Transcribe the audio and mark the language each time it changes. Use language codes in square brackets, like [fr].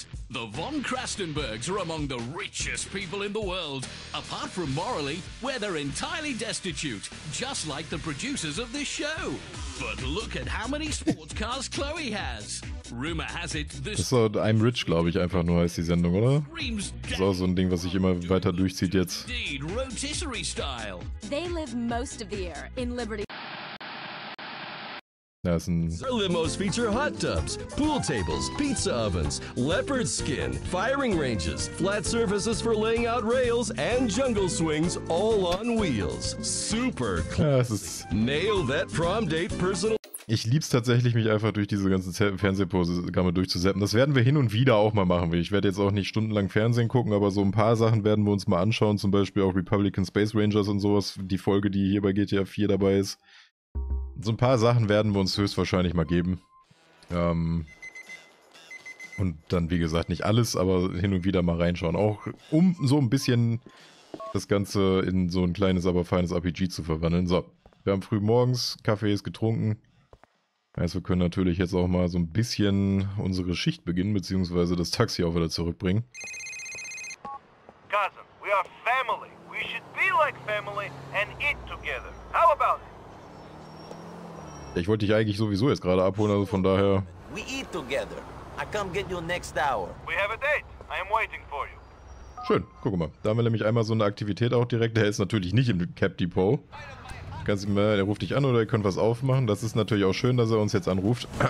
[en] The von Krastenbergs are among the richest people in the world, apart from morally, where they're entirely destitute, just like the producers of this show. But look at how many sports cars Chloe has. Rumor has it, this so I'm rich, [de] glaube ich, einfach nur heißt die Sendung, oder? Das ist auch so ein Ding, was sich immer weiter durchzieht jetzt. [en] Rotisserie style. They live most of the year in Liberty. Limos feature hot tubs, pool tables, pizza ovens, leopard skin, firing ranges, flat surfaces for laying out rails, and jungle swings all on wheels. Super classic. Nail that prom date personal. [de] Ich lieb's tatsächlich, mich einfach durch diese ganzen Fernsehprogramme durchzusetzen. Das werden wir hin und wieder auch mal machen. Ich werde jetzt auch nicht stundenlang Fernsehen gucken, aber so ein paar Sachen werden wir uns mal anschauen. Zum Beispiel auch Republican Space Rangers und sowas. Die Folge, die hier bei GTA 4 dabei ist. So ein paar Sachen werden wir uns höchstwahrscheinlich mal geben. Und dann, wie gesagt, nicht alles, aber hin und wieder mal reinschauen. Auch um so ein bisschen das Ganze in so ein kleines, aber feines RPG zu verwandeln. So, wir haben früh morgens, Kaffee ist getrunken. Also wir können natürlich jetzt auch mal so ein bisschen unsere Schicht beginnen, beziehungsweise das Taxi auch wieder zurückbringen. [en] Cousin, we are family. We should be like family and eat together. How about it? [de] Ich wollte dich eigentlich sowieso jetzt gerade abholen, also von daher. [en] We eat together. I come get you next hour. We have a date. I am waiting for you. [de] Schön, guck mal. Da haben wir nämlich einmal so eine Aktivität auch direkt. Der ist natürlich nicht im Cap Depot. Kannst du mal, der ruft dich an oder ihr könnt was aufmachen. Das ist natürlich auch schön, dass er uns jetzt anruft.